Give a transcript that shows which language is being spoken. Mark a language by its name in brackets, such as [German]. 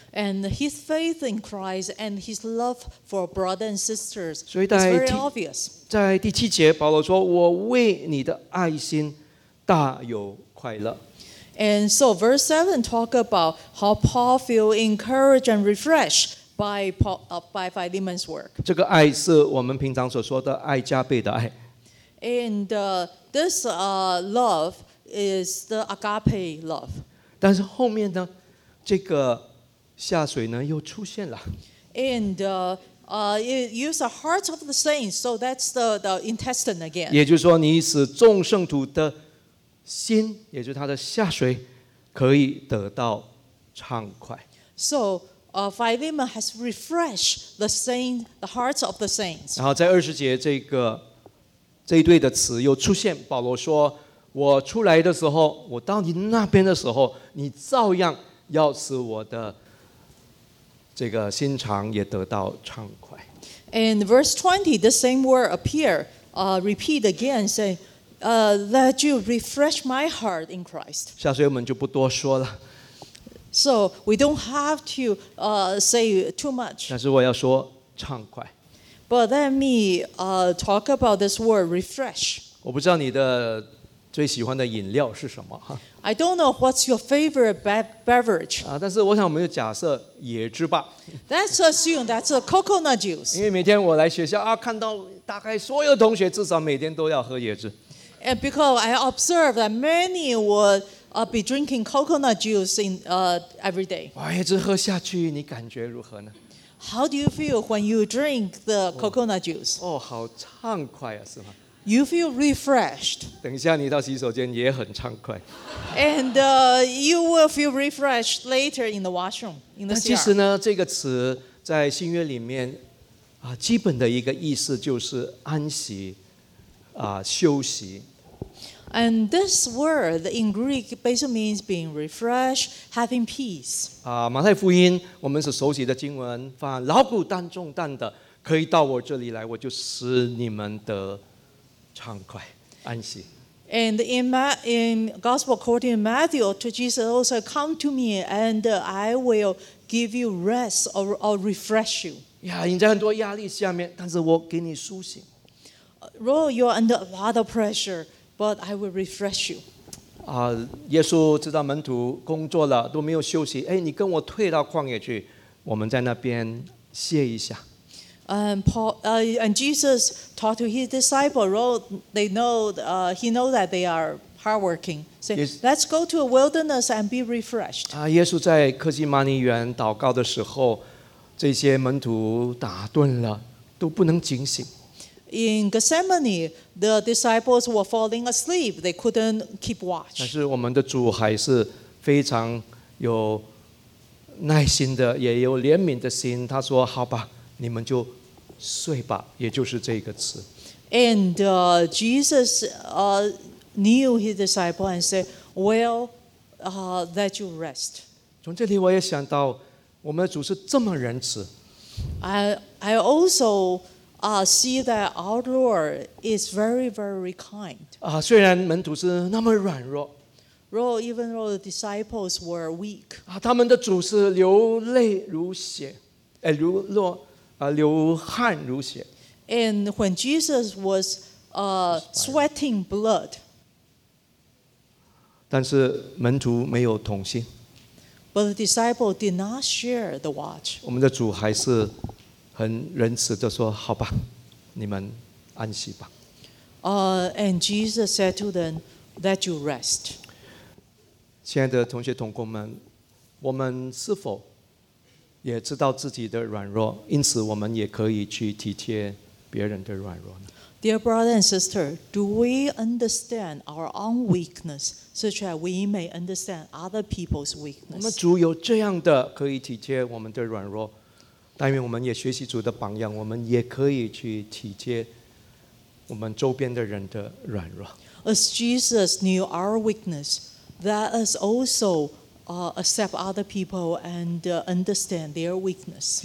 [English] And his faith in Christ and his love for brothers and sisters is very obvious. [Chinese] 在第七节，保罗说：“我为你的爱心大有快乐。” [English] And so verse 7 talk about how Paul feel encouraged and refreshed by Philemon's work. [Chinese] 这个爱是我们平常所说的爱加倍的爱。 [English] And this love is the agape love. [Chinese] 但是后面呢？这个下水呢又出现了。 [English] And it used the hearts of the saints, so that's the intestine again. [Chinese] 也就是说，你使众圣徒的心，也就是他的下水，可以得到畅快。 [English] So, Philemon has refreshed the saints, the hearts of the saints. [Chinese] 然后在二十节这一对的词又出现，保罗说：“我出来的时候，我到你那边的时候，你照样要使我的这个心肠也得到畅快。” [English] And verse 20, the same word appear, repeat again, saying, "Let you refresh my heart in Christ." [Chinese] 下所以我们就不多说了。 [English] So we don't have to say too much. [Chinese] 但是我要说畅快。 [English] But let me talk about this word refresh. [Chinese] 我不知道你的最喜欢的饮料是什么哈。 [English] I don't know what's your favorite beverage. [Chinese] 但是我想我们就假设椰汁吧。 [English] Let's assume that's a coconut juice. [Chinese] 因为每天我来学校啊，看到大概所有同学至少每天都要喝椰汁。 [English] And because I observe that many would be drinking coconut juice in every day. [Chinese] 哇，椰汁喝下去，你感觉如何呢 [English] ？How do you feel when you drink the coconut juice？ [Chinese] 哦，好畅快啊，是吗 [English] ？You feel refreshed. [Chinese] 等一下，你到洗手间也很畅快。 [English] And you will feel refreshed later in the washroom in the CR. [Chinese] 其实呢，这个词在新约里面基本的一个意思就是安息休息。 [English] And this word in Greek basically means being refreshed, having peace. [Chinese] 马太福音我们是熟悉的经文，凡劳苦担重担的，可以到我这里来，我就使你们得畅快安息。 [English] And in Gospel according to Matthew, to Jesus also, "Come to me, and I will give you rest or refresh you." [Chinese] 你在很多压力下面，但是我给你苏醒。 [English] Ro, you are under a lot of pressure. But I will refresh you. [Chinese] 耶稣知道门徒工作了都没有休息，你跟我退到旷野去，我们在那边歇一下。 [English] And Jesus talked to his disciples. They know, he know that they are hardworking. Say, let's go to a wilderness and be refreshed. [Chinese] 耶稣在客西马尼园祷告的时候，这些门徒打盹了，都不能警醒。 [English] In Gethsemane, the disciples were falling asleep. They couldn't keep watch. [Chinese] 但是我们的主还是非常有耐心的，也有怜悯的心。他说：“好吧，你们就睡吧。” 也就是这个词。 [English] And Jesus knew his disciples and said, "Well, let you rest." [Chinese] 从这里我也想到，我们的主是这么仁慈。 [English] I also see that our Lord is very, very kind. [Chinese] 虽然门徒是那么软弱 [English] even though the disciples were weak. [Chinese] 他们的主是流泪如血，流汗如血。 [English] And when Jesus was sweating blood, [Chinese] 但是门徒没有同心。 [English] But the disciple did not share the watch. [Chinese] 我们的主还是很仁慈的说：“好吧，你们安息吧。” [English] And Jesus said to them, "Let you rest." [Chinese] 亲爱的同学同工们，我们是否也知道自己的软弱？因此，我们也可以去体贴别人的软弱呢 [English] ？Dear brother and sister, do we understand our own weakness, such that we may understand other people's weakness? [Chinese] 我们主有这样的可以体贴我们的软弱。但愿我们也学习主的榜样，我们也可以去体贴我们周边的人的软弱。 [English] As Jesus knew our weakness, let us also accept other people and understand their weakness.